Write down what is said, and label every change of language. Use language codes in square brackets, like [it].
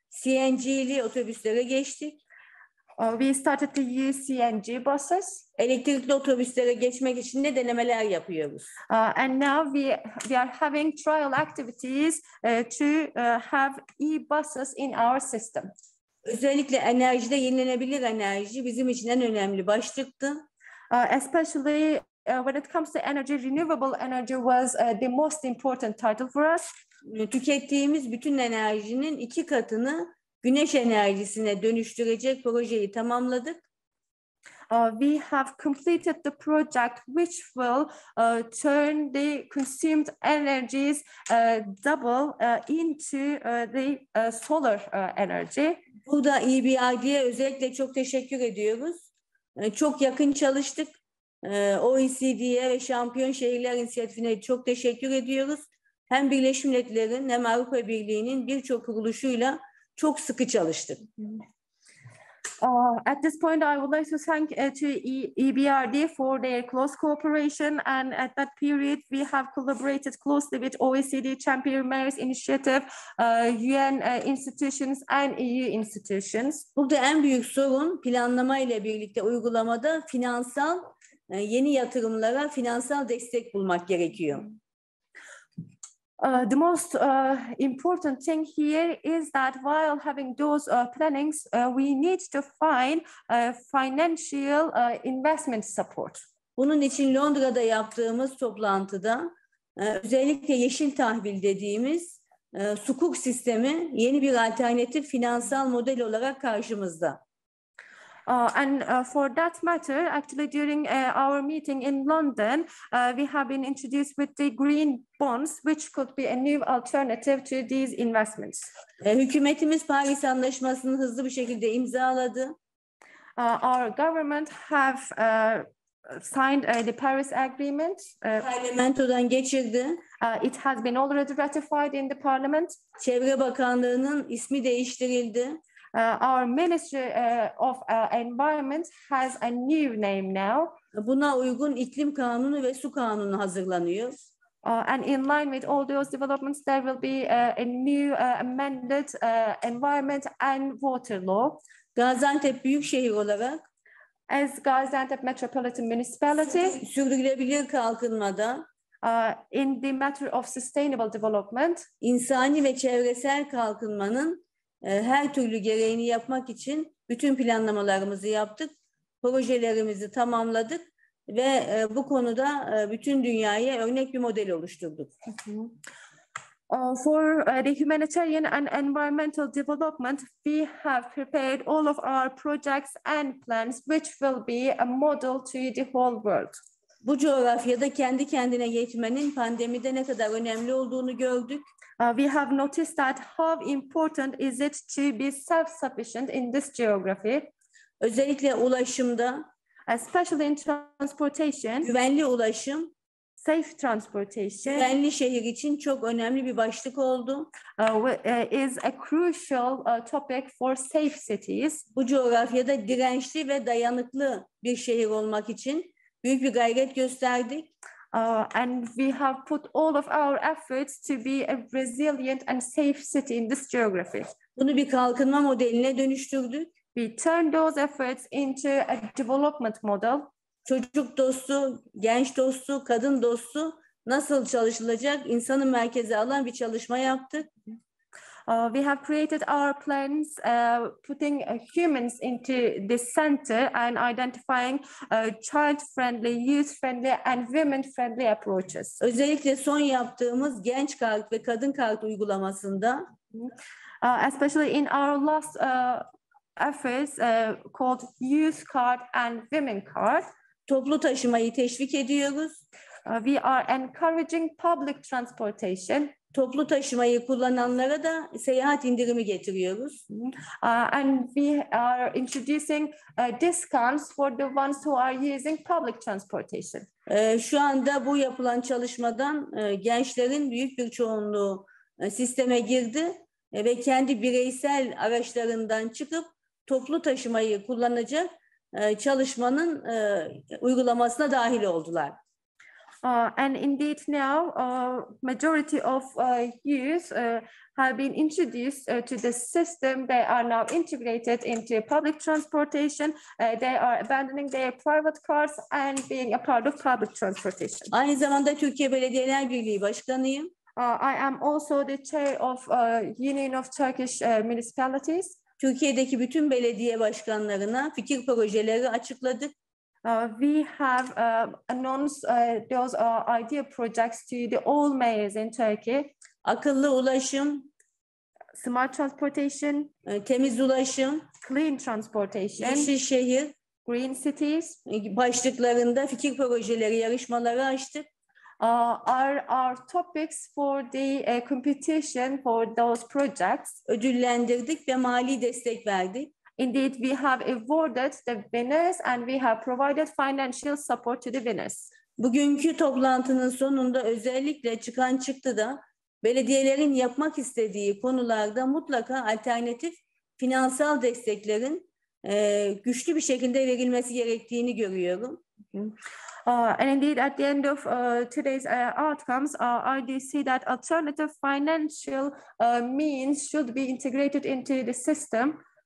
[tr] CNG'li otobüslere geçtik. [en] We started to use CNG buses. [tr] Elektrikli otobüslere geçmek için de denemeler yapıyoruz. [en] And now we are having trial activities to have e-buses in our system. [tr] Özellikle enerjide yenilenebilir enerji bizim için en önemli başlıktı. [en] Especially when it comes to energy, renewable energy was the most important title for us. [tr] Tükettiğimiz bütün enerjinin iki katını güneş enerjisine dönüştürecek projeyi tamamladık. [en] We have completed the project which will turn the consumed energies double into the solar energy. [tr] Bu da EBRD'ye özellikle çok teşekkür ediyoruz. Çok yakın çalıştık. OECD'ye ve Şampiyon Şehirler İnisiyatifine çok teşekkür ediyoruz. Hem Birleşmiş Milletler'in hem Avrupa Birliği'nin birçok kuruluşuyla çok sıkı çalıştık. [en] At this point, I would like to thank to EBRD for their close cooperation. And at that period, we have collaborated closely with OECD Champion Mayors Initiative, UN institutions and EU institutions. [tr] Burada en büyük sorun planlama ile birlikte uygulamada finansal yeni yatırımlara finansal destek bulmak gerekiyor. [en] The most important thing here is that while having those plannings, we need to find financial investment support. [tr] Bunun için Londra'da yaptığımız toplantıda özellikle yeşil tahvil dediğimiz sukuk sistemi yeni bir alternatif finansal model olarak karşımızda. [en] For that matter, actually during our meeting in London, we have been introduced with the green bonds, which could be a new alternative to these investments. [tr] Hükümetimiz Paris Anlaşması'nı hızlı bir şekilde imzaladı. [en] Our government have signed the Paris Agreement. [tr] Parlamentodan geçirdi. [en] It has been already ratified in the parliament. [tr] Çevre Bakanlığı'nın ismi değiştirildi. [en] Our Ministry of Environment has a new name now. [tr] Buna uygun iklim kanunu ve su kanunu hazırlanıyor. [en] And in line with all those developments, there will be a new amended environment and water law. [tr] Gaziantep Büyükşehir olarak, [en] as Gaziantep Metropolitan Municipality, [tr] sürdürülebilir kalkınmada, [en] in the matter of sustainable development, [tr] insani ve çevresel kalkınmanın her türlü gereğini yapmak için bütün planlamalarımızı yaptık, projelerimizi tamamladık ve bu konuda bütün dünyaya örnek bir model oluşturduk. [en] For the humanitarian and environmental development, we have prepared all of our projects and plans, which will be a model to the whole world. [tr] Bu coğrafyada kendi kendine yetmenin pandemide ne kadar önemli olduğunu gördük. [en] We have noticed that how important is it to be self-sufficient in this geography. [tr] Özellikle ulaşımda, [en] especially in transportation, [tr] güvenli ulaşım, [en] safe transportation, [tr] güvenli şehir için çok önemli bir başlık oldu. [en] Is a crucial topic for safe cities. [tr] Bu coğrafyada dirençli ve dayanıklı bir şehir olmak için büyük bir gayret gösterdik. [en] And we have put all of our efforts to be a resilient and safe city in this geography. [tr] Bunu bir kalkınma modeline dönüştürdük. [en] We turned those efforts into a development model. [tr] Çocuk dostu, genç dostu, kadın dostu nasıl çalışılacak? İnsanı merkeze alan bir çalışma yaptık. [en] We have created our plans, putting humans into the center and identifying child-friendly, youth-friendly and women-friendly approaches. [tr] Özellikle son yaptığımız genç kart ve kadın kart uygulamasında, [en] especially in our last efforts called youth card and women card, [tr] toplu taşımayı teşvik ediyoruz. [en] We are encouraging public transportation. [tr] Toplu taşımayı kullananlara da seyahat indirimi getiriyoruz. [en] And we are introducing discounts for the ones who are using public transportation. [tr] Şu anda bu yapılan çalışmadan gençlerin büyük bir çoğunluğu sisteme girdi ve kendi bireysel araçlarından çıkıp toplu taşımayı kullanacak çalışmanın uygulamasına dahil oldular. [en] And indeed now, majority of youth have been introduced to the system. They are now integrated into public transportation. They are abandoning their private cars and being a part of public transportation. [tr] Aynı zamanda Türkiye Belediyeler Birliği Başkanıyım. [en] I am also the chair of Union of Turkish Municipalities. [tr] Türkiye'deki bütün belediye başkanlarına fikir projeleri açıkladık. [en] We have announced those idea projects to the all mayors in Turkey. [tr] Akıllı ulaşım, [en] smart transportation, [tr] temiz ulaşım, [en] clean transportation, [tr] yeşil şehir, [en] green cities [tr] başlıklarında fikir projeleri yarışmaları açtık. [en] Are our topics for the competition for those projects. [tr] Ödüllendirdik ve mali destek verdik. [en] Indeed, we have awarded the winners and we have provided financial support to the winners. [tr] Bugünkü toplantının sonunda özellikle çıkan çıktı da belediyelerin yapmak istediği konularda mutlaka alternatif finansal desteklerin güçlü bir şekilde verilmesi gerektiğini görüyorum. [en] And indeed, at the end of today's outcomes, I do see that alternative financial means should be integrated into the system.